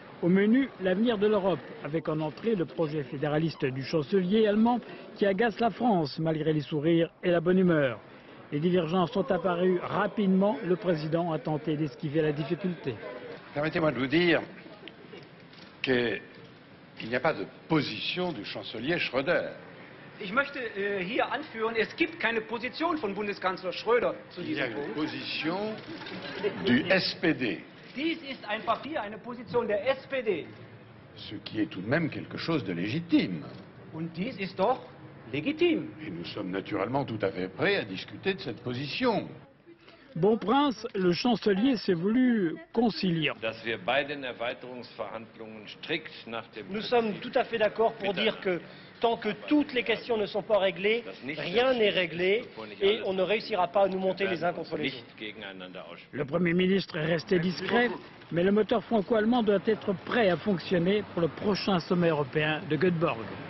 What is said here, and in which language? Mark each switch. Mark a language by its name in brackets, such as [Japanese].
[French] Au menu, l'avenir de l'Europe, avec en entrée le projet fédéraliste du chancelier allemand qui agace la France malgré les sourires et la bonne humeur. Les divergences sont apparues rapidement. Le président a tenté d'esquiver la difficulté. Permettez-moi de vous dire qu'il n'y a pas de position du chancelier Schröder. [German] Ich möchte hier anführen, es gibt keine Position von Bundeskanzler Schröder zu diesem Punkt. [French] Il y a une position du SPD. [German] Dies ist ein Papier, eine Position der SPD. [French] Ce qui est tout de même quelque chose de légitime. [German] Und dies ist doch légitime. [French] Et nous sommes naturellement tout à fait prêts à discuter de cette position. Bon prince, le chancelier s'est voulu conciliant. [German] Dass wir bei den Erweiterungsverhandlungen strikt nach dem [French] nous sommes tout à fait d'accord pour dire que tant que toutes les questions ne sont pas réglées, rien n'est réglé et on ne réussira pas à nous monter les uns contre les autres. Le Premier ministre est resté discret, mais le moteur franco-allemand doit être prêt à fonctionner pour le prochain sommet européen de Göteborg.